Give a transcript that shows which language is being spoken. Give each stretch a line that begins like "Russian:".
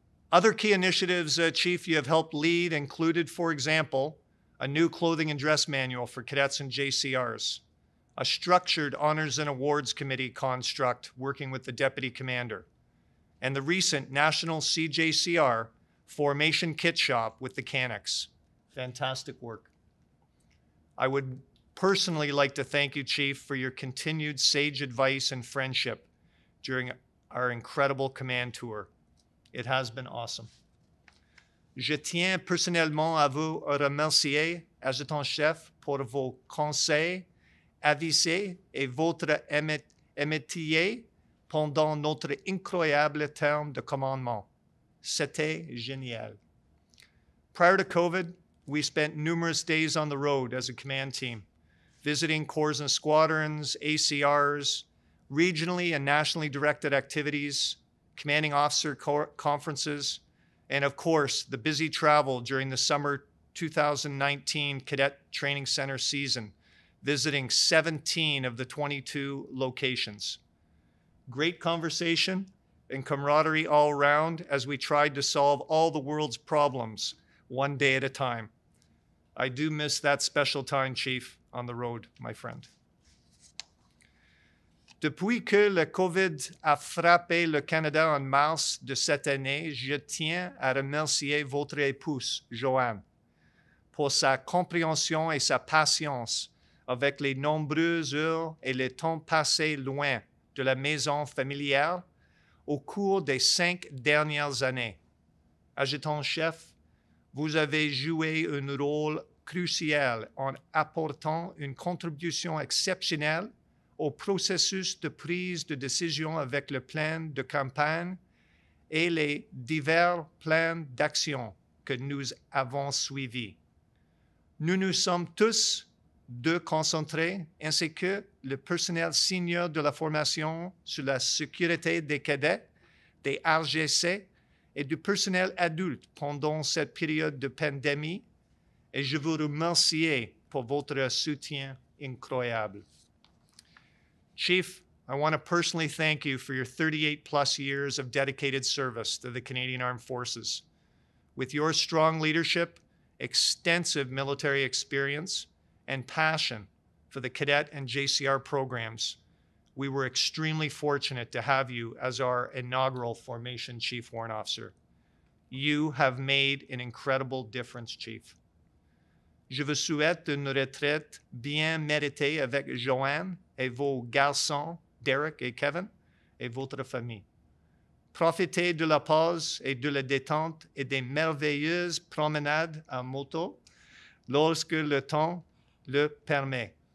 English: Other key initiatives, Chief, you have helped lead included, for example, a new clothing and dress manual for cadets and JCRs, a structured honors and awards committee construct working with the deputy commander, and the recent national CJCR formation kit shop with the CANEX. Fantastic work. I would personally like to thank you, Chief, for your continued sage advice and friendship during our incredible command tour. It has been awesome.
French: Je tiens personnellement à vous remercier, Adjudant-chef, pour vos conseils, avis et votre amitié pendant notre incroyable terme de commandement. C'était génial.
English: Prior to COVID, we spent numerous days on the road as a command team, visiting corps and squadrons, ACRs, regionally and nationally directed activities, commanding officer conferences, and of course, the busy travel during the summer 2019 Cadet Training Center season, visiting 17 of the 22 locations. Great conversation and camaraderie all around as we tried to solve all the world's problems one day at a time. I do miss that special time, Chief, on the road, my friend.
French: Depuis que le COVID a frappé le Canada en mars de cette année, je tiens à remercier votre épouse, Joanne, pour sa compréhension et sa patience avec les nombreuses heures et le temps passé loin de la maison familiale au cours des cinq dernières années. Adjudant-chef, vous avez joué un rôle crucial en apportant une contribution exceptionnelle au processus de prise de décision avec le plan de campagne et les divers plans d'action que nous avons suivis. Nous nous sommes tous deux concentrés, ainsi que le personnel senior de la formation sur la sécurité des cadets, des RGC et du personnel adulte pendant cette période de pandémie, et je vous remercie pour votre soutien incroyable.
English: Chief, I want to personally thank you for your 38 plus years of dedicated service to the Canadian Armed Forces. With your strong leadership, extensive military experience, and passion for the cadet and JCR programs, we were extremely fortunate to have you as our inaugural formation chief warrant officer. You have made an incredible difference, Chief.
French: Je vous souhaite une retraite bien méritée avec Joanne et vos garçons, Derek et Kevin, et votre famille. Profitez de la pause et de la détente et des merveilleuses promenades à moto lorsque le temps le permet.